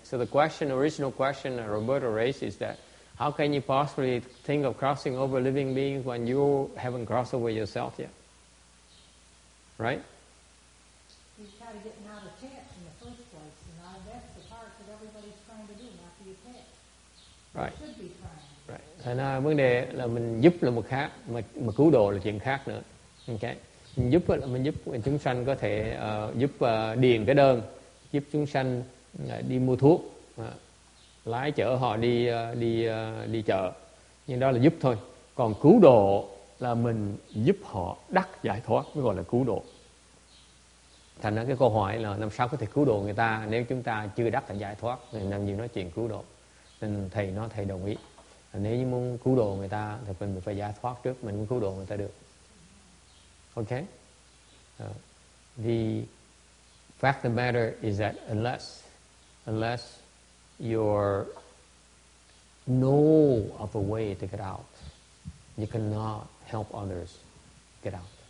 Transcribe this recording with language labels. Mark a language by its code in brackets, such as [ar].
[en] so the question, original question that Roberto raised is that how can you possibly think of crossing over living beings when you haven't crossed over yourself yet? Right? He's kind of getting out of touch in the first place, and that's the part that everybody's trying to do, not be attached. Right. Should be trying to do. Right. [vi] Thành ra vấn đề là mình giúp là một khác, mà cứu độ là chuyện khác nữa. Okay. Mình giúp chúng sanh có thể giúp điền cái đơn, giúp chúng sanh... đi mua thuốc, lái chở họ đi chợ, nhưng đó là giúp thôi. Còn cứu độ là mình giúp họ đắc giải thoát mới gọi là cứu độ. Thành ra cái câu hỏi là làm sao có thể cứu độ người ta nếu chúng ta chưa đắc là giải thoát, thì làm gì nói chuyện cứu độ. Nên thầy nói, thầy đồng ý. Nếu như muốn cứu độ người ta thì mình phải giải thoát trước, mình muốn cứu độ người ta được. Ok? [en] The fact of the matter is that unless you know of a way to get out, you cannot help others get out.